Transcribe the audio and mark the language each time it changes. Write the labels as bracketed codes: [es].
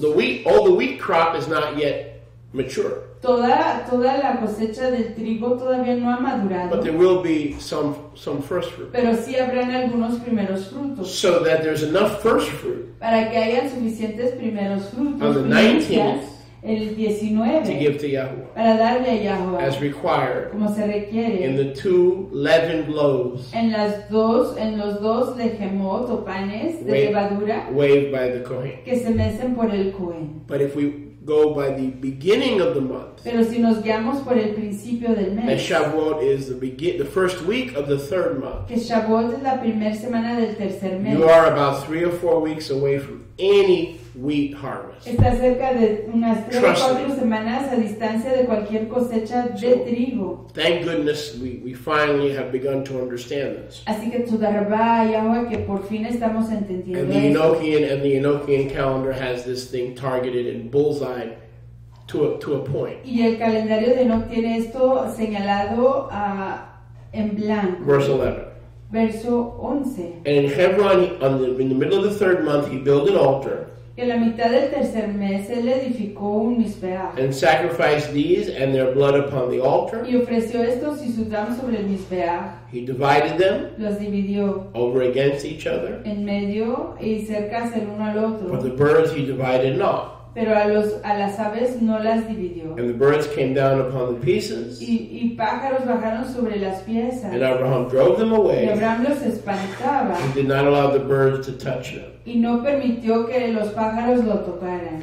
[en] The wheat, all the wheat crop is not yet mature. [es] Toda la cosecha del trigo todavía no ha madurado. [en] But there will be some first fruit. [es] Pero sí habrán algunos primeros frutos. [en] So that there's enough first fruit. [es] Para que hayan suficientes primeros frutos. [en] On the 19th. [es] El 19, [en] to give to Yahuwah, [es] para darle a Yahuwah, [en] as required, [es] como se requiere, [en] in the 2 leavened loaves, [es] en los dos lejemot o panes de levadura, [en] waved by the Kohen, [es] que se mecen por el Kohen. [en] But if we go by the beginning of the month, [es] pero si nos guiamos por el principio del mes, [en] and Shavuot is the first week of the third month, [es] que Shavuot es la primera semana del tercer mes, [en] you are about 3 or 4 weeks away from any wheat harvest. [es] Está cerca de unas 3 o 4 semanas a distancia de cualquier cosecha de trigo. [en] Thank goodness we finally have begun to understand this. [es] Así que toda rabá y agua que por fin estamos entendiendo. [en] And the Enochian calendar has this thing targeted in bullseye to a point. [es] Y el calendario de Enoch tiene esto señalado en blanco. [en] Verse 11. [es] Verso 11. [en] And in Hebron, in the middle of the third month, he built an altar. [es] En la mitad del tercer mes, él edificó un misbeach. [en] And sacrificed these and their blood upon the altar. [es] Y ofreció estos y su sangre sobre el misbeach. [en] He divided them. [es] Los dividió. [en] Over against each other. [es] En medio y cerca el uno al otro. [en] But the birds he divided not. [es] Pero a las aves no las dividió. [en] And the birds came down upon the pieces. [es] Y pájaros bajaron sobre las piezas. [en] And Abraham drove them away. [es] Y Abraham los espantaba. [en] He did not allow the birds to touch them. [es] Y no permitió que los pájaros lo tocaran.